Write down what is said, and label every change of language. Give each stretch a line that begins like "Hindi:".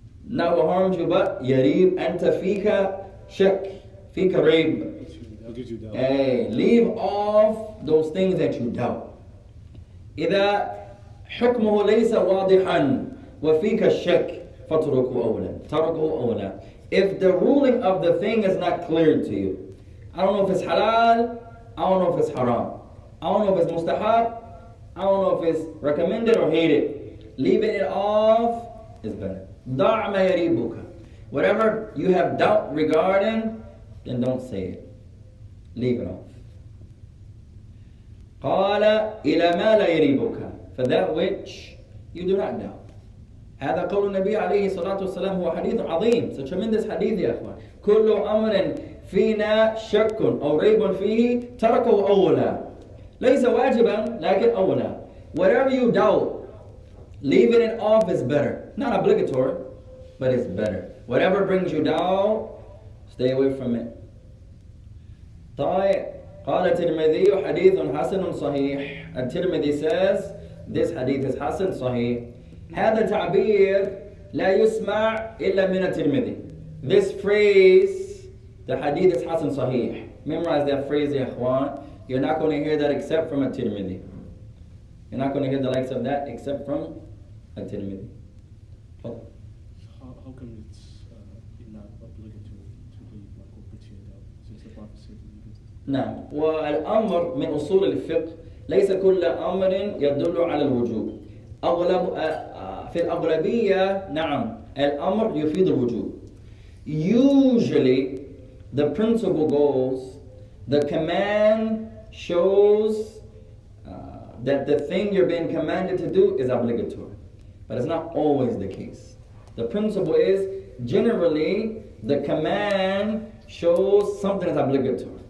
English: Not what harms you, but
Arabic: يريب أنت فيك شك. فيك ريب.
English: I'll give you doubt. Hey, leave off those things that you doubt.
Arabic: إذا حكمه ليس واضحا وفيك الشك. فتركوا أولا. تركوا أولا.
English: If the ruling of the thing is not clear to you, I don't know if it's halal, I don't know if it's haram, I don't know if it's mustahab, I don't know if it's recommended or hated, leaving it off is better.
Arabic: دع ما يريبك.
English: Whatever you have doubt regarding, then don't say it. Leave it off.
Arabic: قال إلى ما لا يريبك.
English: For that which you do not doubt.
Arabic: هذا قول النبي عليه الصلاة والسلام هو حديث عظيم.
English: It's a tremendous hadith,
Arabic: يا أخوان. كل أمر فينا شك أو ريب فيه تركه أولا. ليس واجبا لكن أولا.
English: Whatever you doubt, leaving it off is better. Not obligatory, but it's better. Whatever brings you doubt, stay away from it.
Arabic: طيب قال الترمذي حديث حسن صحيح.
English: الترمذي says this hadith is حسن صحيح.
Arabic: هذا تعبير لا يسمع إلا من الترمذي.
English: This phrase, the hadith is حسن صحيح. Memorize that phrase,
Arabic: يا إخوان.
English: You're not going to hear that except from a Tirmidhi. You're not going to hear the likes of that except from a Tirmidhi. How come it's not obligatory to be like what we're here now? Since the prophet said that you can.
Arabic: نعم. والأمر من أصول الفقه ليس كل أمر يدل على الوجوب. أغلب في الأغلبية نعم الأمر يفيد الوجوب.
English: Usually the principle goes, the command shows that the thing you're being commanded to do is obligatory. But it's not always the case. The principle is generally the command shows something is obligatory.